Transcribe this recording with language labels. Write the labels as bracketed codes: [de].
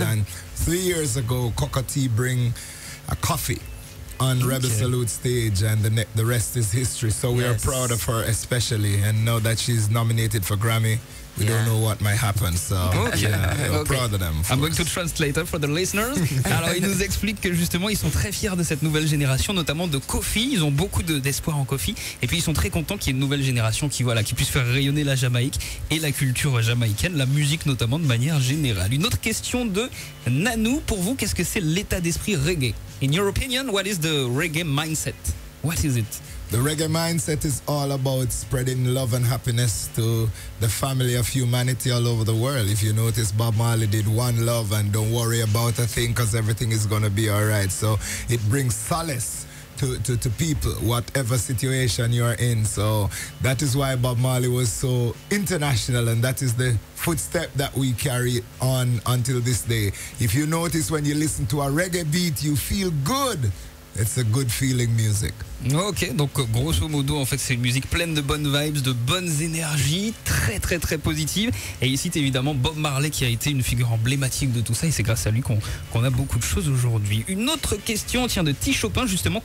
[en] And 3 years ago, Coca T bring a coffee on Rebel Salute stage, and the rest is history. So we are proud of her especially, and now that she's nominated for Grammy, we don't know what might happen. So we're proud of them. I'm going to translate her for the listeners. [fr] Alors ils nous expliquent que justement ils sont très fiers de cette nouvelle génération, notamment de Koffi. Ils ont beaucoup d'espoir en Koffi, et puis ils sont très contents qu'il y ait une nouvelle génération qui voilà, qui puisse faire rayonner la Jamaïque et la culture jamaïcaine, la musique notamment de manière générale. Une autre question de Nanou. Pour vous, qu'est-ce que c'est l'état d'esprit reggae? [en] In your opinion, what is the reggae mindset? What is it? The reggae mindset is all about spreading love and happiness to the family of humanity all over the world. If you notice, Bob Marley did One Love and Don't Worry About a Thing because everything is going to be all right. So it brings solace to people, whatever situation you are in. So that is why Bob Marley was so international, and that is the footstep that we carry on until this day. If you notice, when you listen to a reggae beat, you feel good. It's a good feeling music. [fr] Ok, donc grosso modo, en fait, c'est une musique pleine de bonnes vibes, de bonnes énergies, très très très positive. Et ici, c'est évidemment Bob Marley qui a été une figure emblématique de tout ça. Et c'est grâce à lui qu'on a beaucoup de choses aujourd'hui. Une autre question tient de Tee Chopin, justement.